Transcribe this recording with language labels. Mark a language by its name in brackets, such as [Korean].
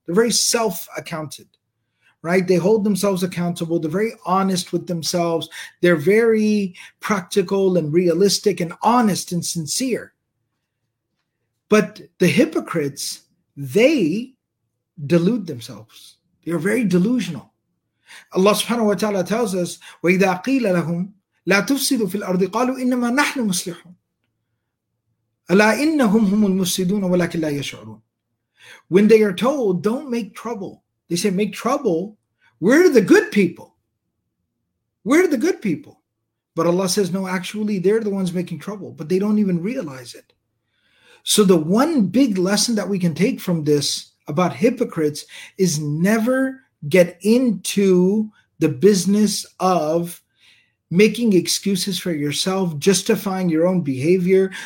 [English] They're very self-accounted, right? They hold themselves accountable. They're very honest with themselves. They're very practical and realistic and honest and sincere. But the hypocrites, they delude themselves. They are very delusional. Allah subhanahu wa ta'ala tells us, [Arabic] وَإِذَا قِيلَ لَهُمْ لَا تُفْسِدُوا فِي الْأَرْضِ قَالُوا إِنَّمَا نَحْنُ مُسْلِحُونَ أَلَا إِنَّهُمْ هُمُ الْمُسْلِدُونَ وَلَكِنْ لَا يَشْعُرُونَ. [English] When they are told, don't make trouble. They say, make trouble. We're the good people. We're the good people. But Allah says, no, actually, they're the ones making trouble. But they don't even realize it. So the one big lesson that we can take from this about hypocrites is never get into the business of making excuses for yourself, justifying your own behavior.